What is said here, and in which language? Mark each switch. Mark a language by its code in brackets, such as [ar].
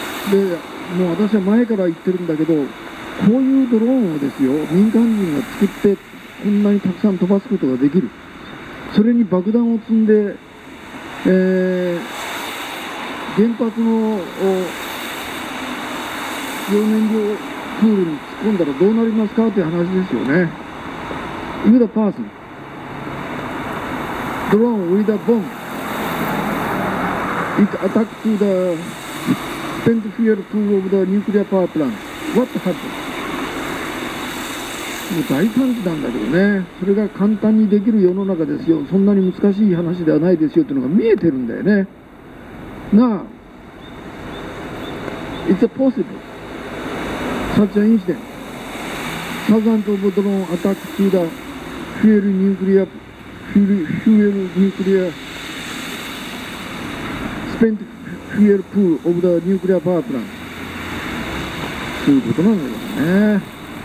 [ja] で、もう私は前から言ってるんだけど、こういうドローンをですよ、民間人が作ってこんなにたくさん飛ばすことができる、それに爆弾を積んで、原発の用燃料プールに突っ込んだらどうなりますかという話ですよね。 [en] With a person drone with a bomb it attacked to the spent fuel pool of the nuclear power plant what happened? [ja] もう大惨事なんだけどね。それが簡単にできる世の中ですよ、そんなに難しい話ではないですよっていうのが見えてるんだよね。 [en] なあ、It's a possible such an incident thousands of drone attack to the fuel nuclear fuel nuclear spent fuel pool of the nuclear power plant [ja] そういうことなんだよね。